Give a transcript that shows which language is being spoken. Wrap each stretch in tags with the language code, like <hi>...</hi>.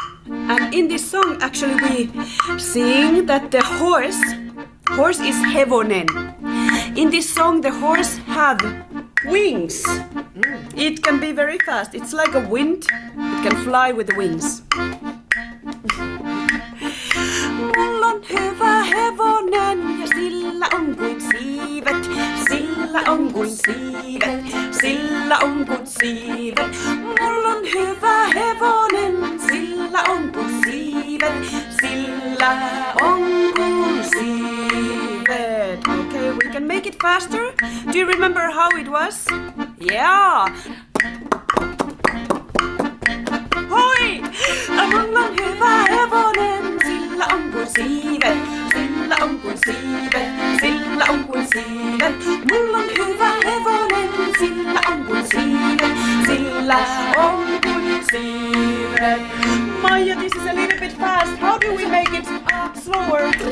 <en>And in this song, actually, we sing that the horse is hevonen. In this song, the horse have wings. It can be very fast. It's like a wind. It can fly with the wings.</en> <fi>Mulla on hyvä hevonen, ja sillä on kuin siivet. Sillä on kuin siivet, sillä on kuin siivet. Mulla on hyvä hevonen, sillä on kuin siivet. Sillä on kuin siivet.</fi> <en>Okay, we can make it faster. Do you remember how it was? Yeah. Hoi!</en> <fi>Mulla on hyvä hevonen, sillä on kuin siivet. Sillä on kuin siivet, sillä on kuin siivet. Mulla on hyvä hevonen, sillä on kuin siivet. Sillä on kuin siivet.</fi> <en>Maija, this is a little bit fast. How do we make it slower?</en>